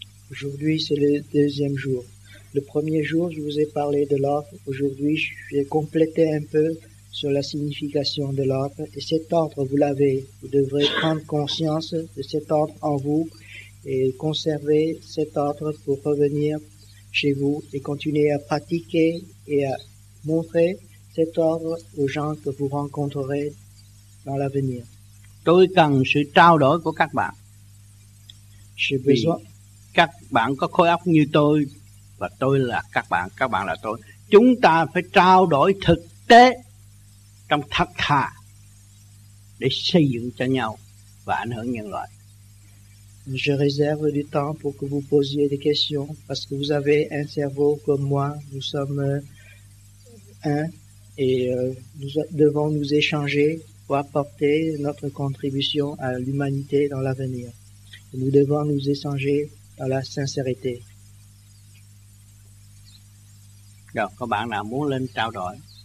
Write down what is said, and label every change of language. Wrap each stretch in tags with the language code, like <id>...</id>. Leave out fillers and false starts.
<fr>Aujourd'hui c'est le deuxième jour. Le premier jour je vous ai parlé de l'ordre. Aujourd'hui je vais compléter un peu sur la signification de l'ordre. Et cet ordre vous l'avez. Vous devrez prendre conscience de cet ordre en vous et conserver cet ordre pour revenir chez vous et continuer à pratiquer et à montrer cet ordre aux gens que vous rencontrerez dans l'avenir.</fr> <vi>Tôi cần sự trao đổi của các bạn.</vi> <fr>J'ai besoin.</fr> <vi>Các bạn có khối óc như tôi và tôi là các bạn là tôi. Chúng ta phải trao đổi thực tế trong thật thà để xây dựng cho nhau và ảnh hưởng nhân loại.</vi> <fr>Je réserve du temps pour que vous posiez des questions parce que vous avez un cerveau comme moi. Nous sommes un et nous devons nous échanger pour apporter notre contribution à l'humanité dans l'avenir. Nous devons nous échanger dans la sincérité.</fr> <vi>Rồi, có bạn nào muốn lên trao đổi?</vi>